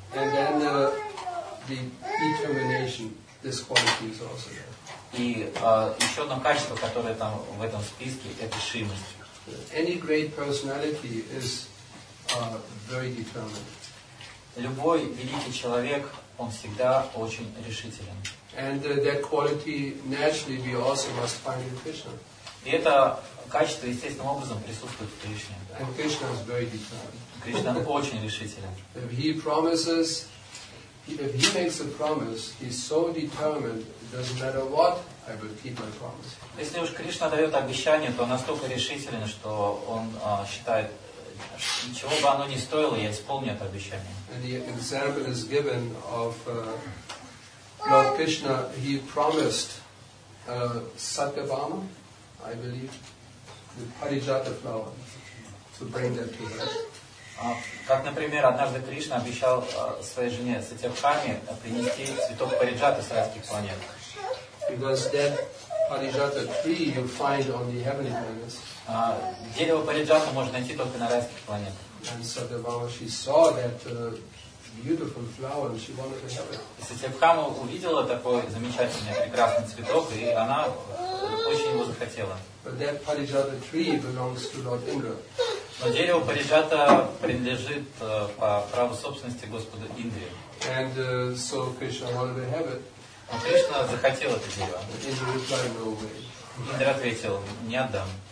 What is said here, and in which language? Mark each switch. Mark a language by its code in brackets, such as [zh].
[en] And then the determination, this quality is also there. [ru] И еще одно качество, которое там в этом списке, это решимость. [en] Any great personality is very determined. [ru] Любой великий человек, он всегда очень решителен. [en] And that quality naturally we also must find in Krishna. [ru] И это качество естественным образом присутствует в Кришне. [en] And Krishna is very determined. [ru] Кришна очень решителен. [en] If he promises, if he makes a promise, he's so determined. It doesn't matter what. I will keep my promise. [ru] Если уж Кришна дает обещание, то настолько решителен, что он считает, ничего бы оно ни стоило, я исполню это обещание. [en] And the example is given of Lord Krishna. He promised Satyabhama, I believe, the Parijata flower, to bring that to her. [ru] Как, например, однажды Кришна обещал своей жене Сатьябхаме принести цветок Париджата с райских планет. [en] Because that Parijata tree you find on the heavenly planets. [ru] Дерево Париджата можно найти только на райских планетах. [en] And Satyabhama, she saw that beautiful flower and she wanted to have it. [ru] Сатьябхама увидела такой замечательный, прекрасный цветок, и она очень его захотела. [en] But that Parijata tree belongs to Lord Indra. [ru] Но дерево Париджата принадлежит по праву собственности Господу Индре. [en] And so Krishna wanted to have it. [ru] Но Кришна захотел это дерево. Индра ответил, не отдам.